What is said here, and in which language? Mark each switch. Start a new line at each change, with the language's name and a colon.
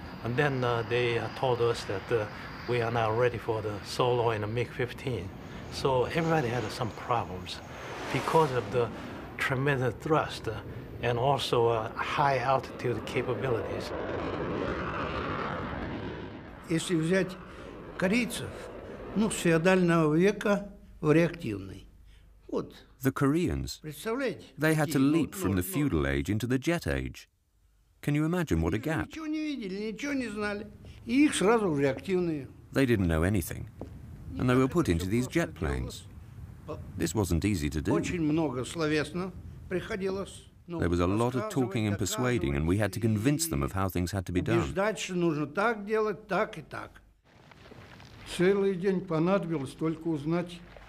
English: And then they told us that we are now ready for the solo in the MiG-15. So everybody had some problems because of the tremendous thrust and also high altitude capabilities.
Russian: Если взять корейцев, ну, с феодального века в реактивный. Вот.
English: The Koreans, they had to leap from the feudal age into the jet age. Can you imagine what a gap?
Russian: Ничего не видели, ничего не знали. И их сразу в реактивные.
English: They didn't know anything, and they were put into these jet planes. This wasn't easy to do.
Russian: Очень много словесно приходилось.
English: There was a lot of talking and persuading, and we had to convince them of how things had to be done.
Russian: Убеждать, что нужно так делать, так и так. Целый день понадобилось только узнать.